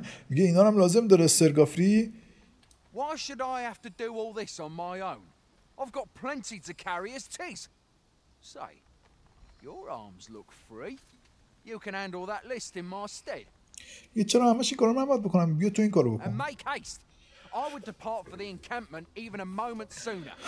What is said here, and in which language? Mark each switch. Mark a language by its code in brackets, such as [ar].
[fa] میگه اینا هم لازم داره سر گافری. [en] Why should I have to do all this on my own? I've got plenty to carry as tis. Say, your arms look free. You can handle that list in my stead. [fa] یه چرا همش این کارو من باید بکنم؟ بیا تو این کارو بکن. [en] And make haste. I would depart for the encampment even a moment sooner.